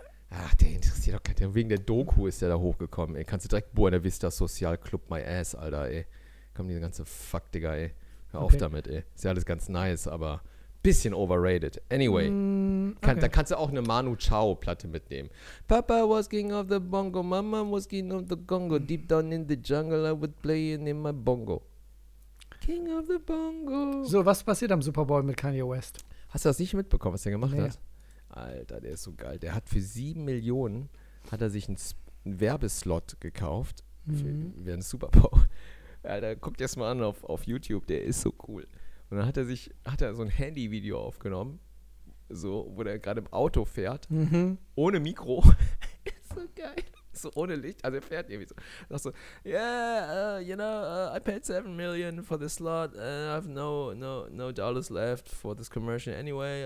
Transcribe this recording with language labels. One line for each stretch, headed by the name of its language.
German: Ach, der interessiert doch keinen. Wegen der Doku ist der da hochgekommen, ey. Kannst du direkt Buena Vista Social Club
English: my ass,
German: Alter, ey. Komm, diese ganze Fuck, Digga, ey. Hör auf damit, ey. Ist ja alles ganz nice, aber bisschen overrated. Anyway, da kannst du auch eine Manu Chao-Platte mitnehmen.
English: Papa was king of the bongo, Mama was king of the Congo. Deep down in the jungle, I would play in my bongo. King of the bongo.
German: So, was passiert am Super Bowl mit Kanye West? Hast du das nicht mitbekommen, was der gemacht hat? Alter, der ist so geil. Der hat für 7 Millionen, hat er sich einen Werbeslot gekauft für den Super Bowl. Alter, guck dir das mal an auf YouTube, der ist so cool. Und dann hat er so ein Handy-Video aufgenommen, so, wo der gerade im Auto fährt, ohne Mikro. Ist so geil. So ohne Licht, also er fährt irgendwie so. Sag so,
English: I paid 7 million for this slot. I have no dollars left for this commercial anyway.